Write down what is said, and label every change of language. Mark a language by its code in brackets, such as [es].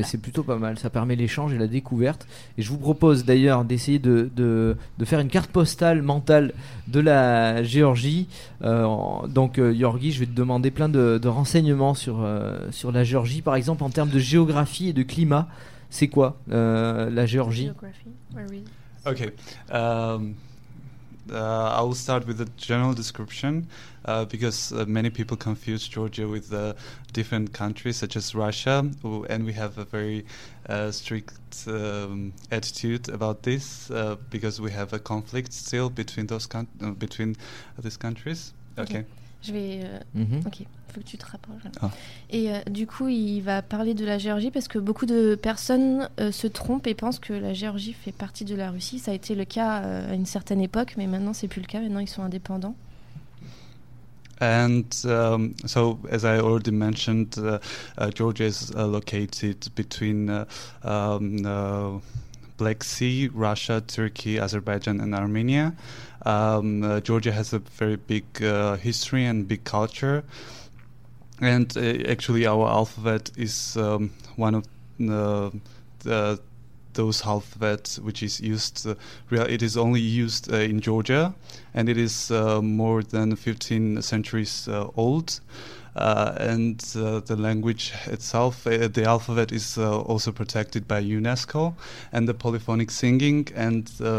[fr] Mais c'est plutôt pas mal, ça permet l'échange et la découverte. Et je vous propose d'ailleurs d'essayer de faire une carte postale mentale de la Géorgie. Yorgi, je vais te demander plein de renseignements sur la Géorgie. Par exemple, en termes de géographie et de climat, c'est quoi la Géorgie? Ok. [en] I will start with a general description because many people confuse Georgia with different countries such as Russia, and we have a very strict attitude about this because we have a conflict still between between these countries. Okay. [fr] Je vais. Mm-hmm. Ok, faut que tu te rapproches. Oh. Et du coup, il va parler de la Géorgie parce que beaucoup de personnes se trompent et pensent que la Géorgie fait partie de la Russie. Ça a été le cas à une certaine époque, mais maintenant c'est plus le cas. Maintenant, ils sont indépendants. [en] And so, as I already mentioned, Georgia is located between Black Sea, Russia, Turkey, Azerbaijan, and Armenia. Georgia has a very big history and big culture, and actually our alphabet is one of those alphabets which is used, it is only used in Georgia, and it is more than 15 centuries old, and the language itself, the alphabet is also protected by UNESCO, and the polyphonic singing, and